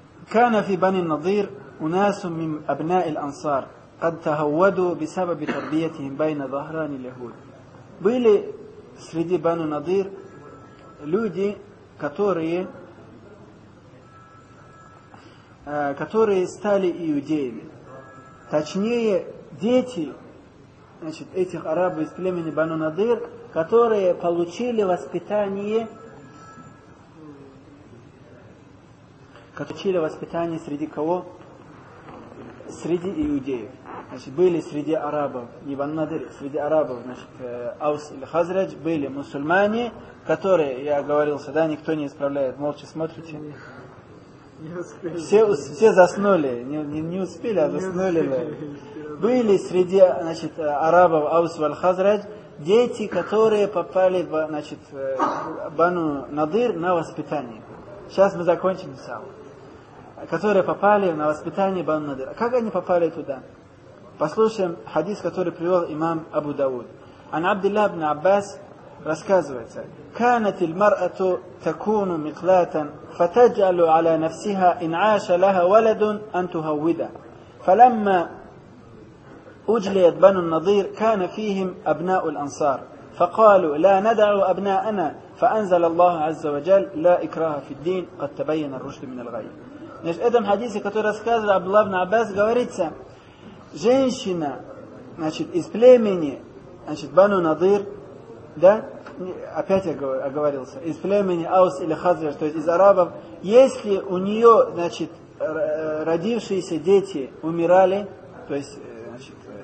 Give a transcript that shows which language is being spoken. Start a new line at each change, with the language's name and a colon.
Arabic: كان في بني النضير أناس من أبناء الأنصار قد تهودوا بسبب تربيتهم بين ظهران اليهود.
Russian: Были среди Бану Надир люди, которые стали иудеями. Точнее, дети, значит, этих арабов из племени Бану Надир, которые получили воспитание. Учили воспитание среди кого? Среди иудеев. Значит, были среди арабов, не Бан-Надыр, среди арабов, значит, Аус или Хазрадж, были мусульмане, которые, я говорил, да, никто не исправляет, молча смотрите. Все заснули, не успели, а заснули. Были среди, значит, арабов Аус или Хазрадж, дети, которые попали, значит, Бану-Надыр на воспитание. Сейчас мы закончим сам. Которые попали на воспитание Бану-Надыр. Как они попали туда? Послушаем хадис, который привел имам Абу Дауд.
Arabic: Ан Абдиллах ибн Аббас
Russian: рассказывается:
Arabic: كانت المرأة تكون مقلاتا فتجعل على نفسها إن عاش لها ولد أن تهودا. فلما أجليت Бану-Надыр كان فيهم أبناء الأنصار. فقالوا لا ندع أبناءنا. فأنزل الله عز وجل لا إكراه في الدين قد تبين الرشد من الغي.
Russian: Значит, в этом хадисе, который рассказывает Абдулла ибн Аббас, говорится, женщина, значит, из племени, значит, Бану-Надыр, да, опять я оговорился, из племени Аус или Хазрадж, то есть из арабов, если у нее, значит, родившиеся дети умирали, то есть, значит,